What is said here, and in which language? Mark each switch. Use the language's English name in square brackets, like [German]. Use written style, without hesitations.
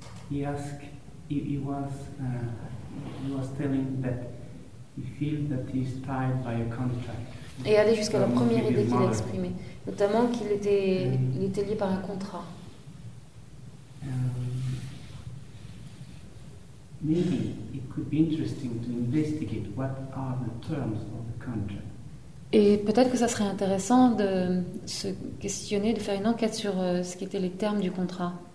[English] He asked, he was telling that he feels that he's tied by a contract. [French] Et aller jusqu'à la première idée qu'il a exprimée, notamment qu'il était, il était lié par un contrat. [English] Maybe it could be interesting to investigate what are the terms of the contract. [French] Et peut-être que ça serait intéressant de se questionner, de faire une enquête sur ce qui étaient les termes du contrat.